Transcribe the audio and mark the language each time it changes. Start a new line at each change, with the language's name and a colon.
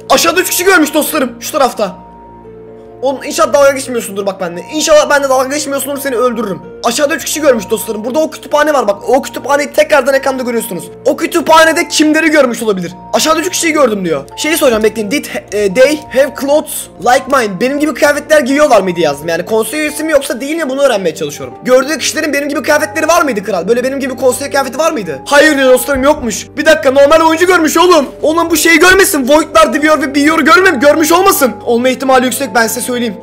Turkish: Aşağıda 3 kişi görmüş dostlarım. Şu tarafta. Oğlum inşallah dalga geçmiyorsundur bak benimle. İnşallah ben de dalga geçmiyorsundur, seni öldürürüm. Aşağıda 3 kişi görmüş dostlarım. Burada o kütüphane var bak. O kütüphaneyi tekrardan ekranda görüyorsunuz. O kütüphanede kimleri görmüş olabilir? Aşağıda 3 kişiyi gördüm diyor. Şeyi soracağım, bekleyin.
English: Did they have clothes like mine?
Turkish: Benim gibi kıyafetler giyiyorlar mıydı yazdım. Yani konsey üyesi mi yoksa değil mi, bunu öğrenmeye çalışıyorum. Gördüğü kişilerin benim gibi kıyafetleri var mıydı kral? Böyle benim gibi konsey kıyafeti var mıydı? Hayır diyor dostlarım, yokmuş. Bir dakika, normal oyuncu görmüş oğlum. Oğlum bu şeyi görmesin. Voidlar, Divior ve Bior görmüş olmasın. Olma ihtimali yüksek, ben size söyleyeyim.